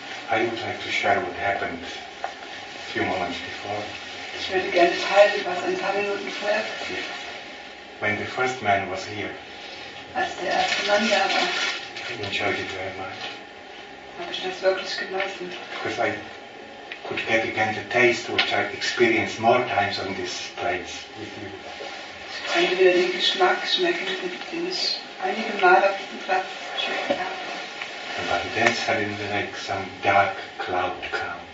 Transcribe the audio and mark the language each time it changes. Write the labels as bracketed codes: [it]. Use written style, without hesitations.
[en] I would like to share what happened a few moments before. [de] Ich würde gerne teilen, was ein paar Minuten vorher passiert. [en] When the first man was here. [de] Als der erste Mann da war. [en] I enjoyed it very much. [de] Habe ich das wirklich genossen? [en] Because I could get again the taste which I experienced more times on this place with you. [de] Ich konnte wieder den Geschmack schmecken, den ich einige Male auf diesem Platz geschmeckt habe. [en] And by then suddenly like some dark cloud came.